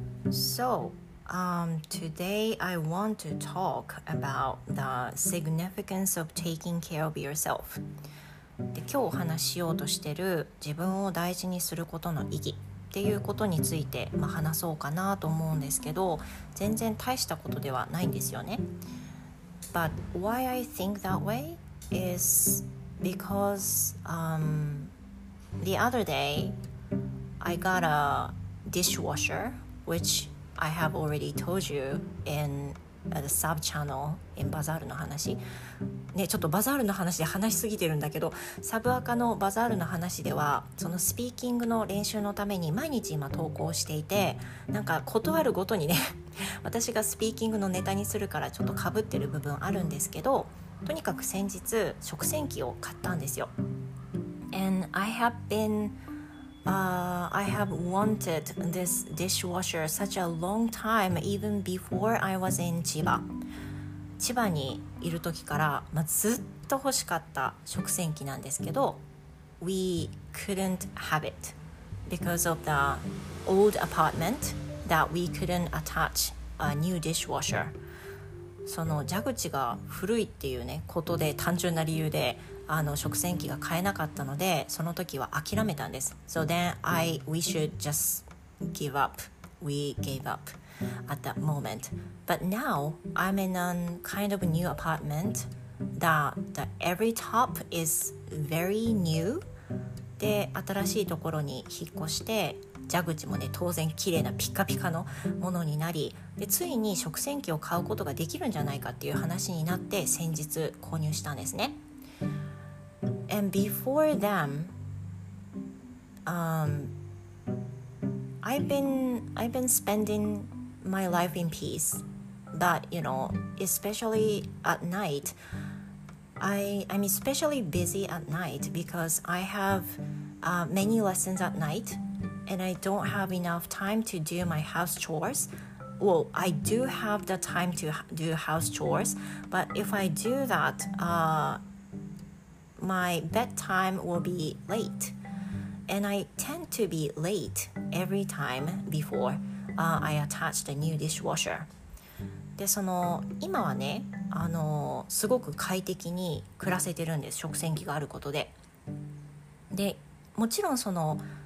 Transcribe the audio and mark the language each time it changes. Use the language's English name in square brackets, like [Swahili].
[English] So, today I want to talk about the significance of taking care of yourself. [Japanese] で、今日お話しようとしてる自分を大事にすることの意義っていうことについて、話そうかなと思うんですけど、全然大したことではないんですよね。 [English] But why I think that way is because the other day I got a dishwasher, which I have already told you inthe sub channel in Bazaar [Japanese] の話ね、ちょっとバザールの話で話しすぎてるんだけど、サブアカのバザールの話ではそのスピーキングの練習のために毎日今投稿していて、なんか断るごとにね、私がスピーキングのネタにするからちょっとかぶってる部分あるんですけど、とにかく先日食洗機を買ったんですよ。 [English] And I have beenI have wanted this dishwasher such a long time, even before I was in Chiba. [Japanese] 千葉にいる時から、ずっと欲しかった食洗機なんですけど、 [English] We couldn't have it because of the old apartment that we couldn't attach a new dishwasher. [Japanese] その蛇口が古いっていうね、ことで単純な理由で、食洗機が買えなかったので、その時は諦めたんです。 [English] So then we should just give up. We gave up at that moment. But now I'm in a kind of new apartment that every top is very new. [Japanese] で、新しいところに引っ越して、蛇口もね、当然綺麗なピカピカのものになり、で、ついに食洗機を買うことができるんじゃないかっていう話になって、先日購入したんですね。 [English] And before them, I've been spending my life in peace. But, you know, especially at night, I'm especially busy at night because I have many lessons at night and I don't have enough time to do my house chores. Well, I do have the time to do house chores, but if I do that, my bedtime will be late, and I tend to be late every time before I attach the new dishwasher. [Japanese] で、その今はね、すごく快適に暮らせてるんです、食洗機があることで。で、もちろんその